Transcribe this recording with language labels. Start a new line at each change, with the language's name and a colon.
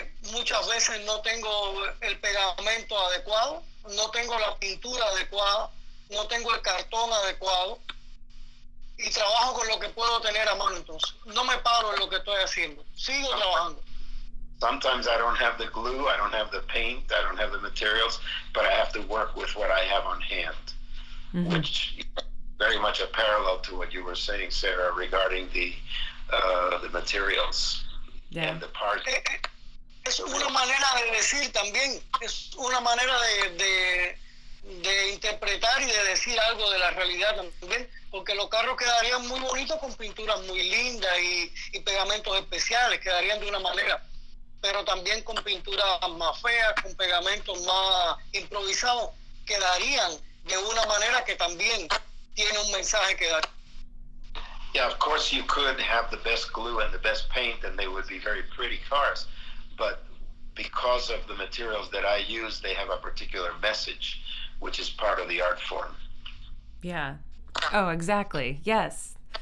Spanish: Muchas veces no tengo el pegamento adecuado, no tengo la pintura adecuada, no tengo el cartón adecuado, y trabajo con lo que puedo tener a mano. Entonces, no me paro en lo que estoy haciendo, sigo trabajando.
English: Sometimes I don't have the glue, I don't have the paint, I don't have the materials, but I have to work with what I have on hand, which very much a parallel to what you were saying, Sarah, regarding the materials. Yeah. And the part.
Spanish: Es una manera de decir también, es una manera de interpretar y de decir algo de la realidad también, porque los carros quedarían muy bonitos con pinturas muy lindas y pegamentos especiales, quedarían de una manera, pero también con pinturas más feas, con pegamentos más improvisados, quedarían de una manera que también tiene un mensaje que dar.
English: Yeah, of course you could have the best glue and the best paint and they would be very pretty cars, but because of the materials that I use, they have a particular message, which is part of the art form. Yeah. Oh, exactly. Yes.